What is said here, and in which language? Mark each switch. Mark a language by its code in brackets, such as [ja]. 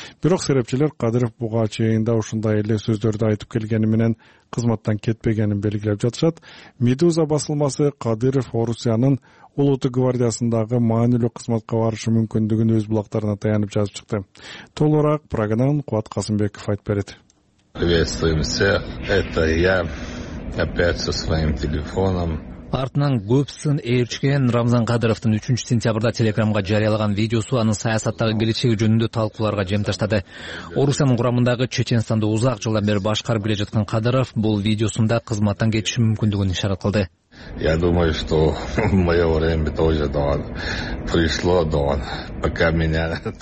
[ky] Бирок серепчилер Кадыров буга чейин да ушундай эле сөздөрдү айтып келгени менен кызматтан кетпегенин белгилеп жатышат. Медуза басылмасы Кадыров Орусиянын Улуттук гвардиясындагы маанилүү кызматка барышы мүмкүндүгүн өз булактарына таянып жазып чыкты. Толугураак программадан Кубат Касымбеков айтып берет. [ru] Приветствуемся. Это я опять со своим телефоном. [ky] Артынан көп сын ээрчиген Рамзан Кадыровдун 3-сентябрда телеграмга жарыялаган видеосу анын саясаттагы келечеги жөнүндө талкууларга жем таштады. Орусиянын курамындагы Чеченстанды узак жылдан бери башкарып келе жаткан Кадыров бул видеосунда кызматтан кетиши мүмкүндүгүн ишарат кылды. [ru] Я думаю, что в мое время тоже пришло, но пока меня...